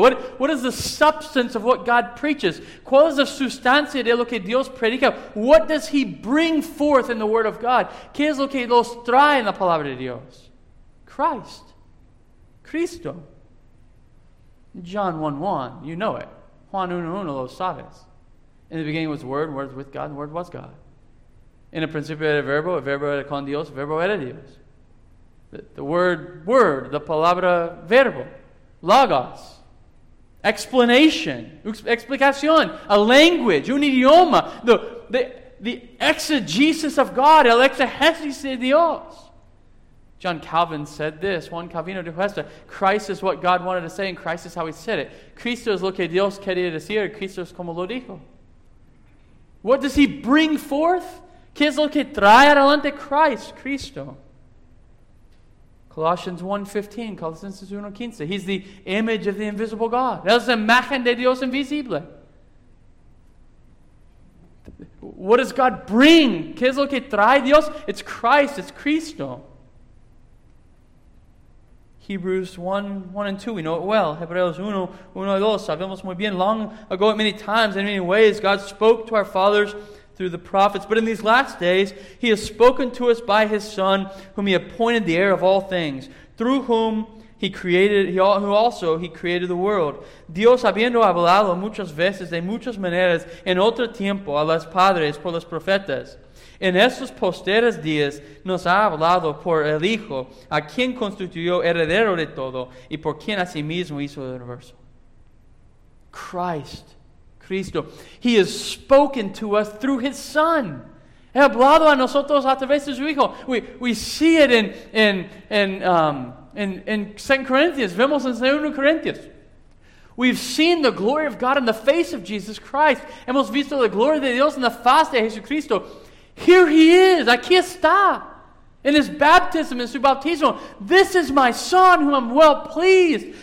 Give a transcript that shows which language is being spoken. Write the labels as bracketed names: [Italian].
[English] What is the substance of what God preaches? [Spanish] ¿Cuál es la sustancia de lo que Dios predica? [English] What does he bring forth in the word of God? [Spanish] ¿Qué es lo que Dios trae en la palabra de Dios? [English] Christ. Cristo. John 1:1. You know it. [Spanish] Juan 1:1 lo sabes. [English] In the beginning was the Word, Word was with God, and Word was God. [Spanish] In the principio era verbo era con Dios, verbo era Dios. The word, the palabra, verbo, logos, explanation, explicación, a language, un idioma, [English] the exegesis of God, [Spanish] el exegesis de Dios. [English] John Calvin said this, [Spanish] Juan Calvino dijo esto, [English] Christ is what God wanted to say, and Christ is how he said it. [Spanish] Cristo es lo que Dios quería decir, Cristo es como lo dijo. [English] What does he bring forth? [Spanish] ¿Qué es lo que trae adelante Christ, Cristo? [English] Colossians 1:15, Colossians 1:15. He's the image of the invisible God. [Spanish] Es la imagen de Dios invisible. [English] What does God bring? [Spanish] ¿Qué es lo que trae Dios? [English] It's Christ, it's Cristo. Hebrews 1:1-2, we know it well. [Spanish] Hebreos 1:1-2, sabemos muy bien. [English] Long ago, many times and many ways, God spoke to our fathers through the prophets, but in these last days he has spoken to us by his Son, whom he appointed the heir of all things, through whom he created, who also created the world. [Spanish] Dios habiendo hablado muchas veces de muchas maneras en otro tiempo a los padres por los profetas, en estos posteros días nos ha hablado por el Hijo, a quien constituyó heredero de todo y por quien asimismo hizo el universo. Christ. Cristo. [English] He has spoken to us through his Son. [Spanish] He hablado a nosotros a través de su Hijo. [English] We see it in 2 Corinthians. [Spanish] Vemos en 2 Corinthians. [English] We've seen the glory of God in the face of Jesus Christ. [Spanish] Hemos visto la gloria de Dios en la faz de Jesucristo. [English] Here he is. [Spanish] Aquí está. [English] In his baptism, in su bautismo. This is my Son whom I'm well pleased.